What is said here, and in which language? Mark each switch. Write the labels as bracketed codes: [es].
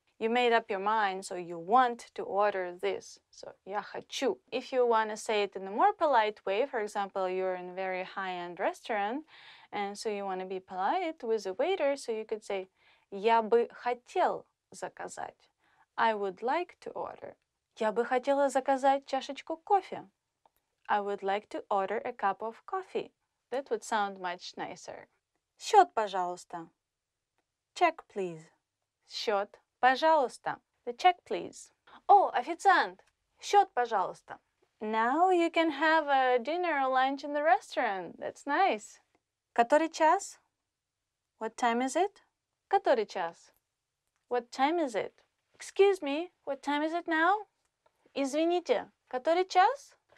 [en] You made up your mind, so you want to order this. [ru] So, я хочу. [en] If you want to say it in a more polite way, for example, you're in a very high-end restaurant, and so you want to be polite with the waiter, so you could say, [ru] я бы хотел заказать. [en] I would like to order. [ru] Я бы хотела заказать чашечку кофе. [en] I would like to order a cup of coffee. That would sound much nicer. [ru] Счет, пожалуйста. [en] Check, please. [ru] Счет, пожалуйста. [en] The check, please. [ru] Oh, официант, счет, пожалуйста. [en] Now you can have a dinner or lunch in the restaurant. That's nice. [ru] Который час? [en] What time is it? [ru] Который час? [en] What time is it? Excuse me, what time is it now? [ru] Извините, который час?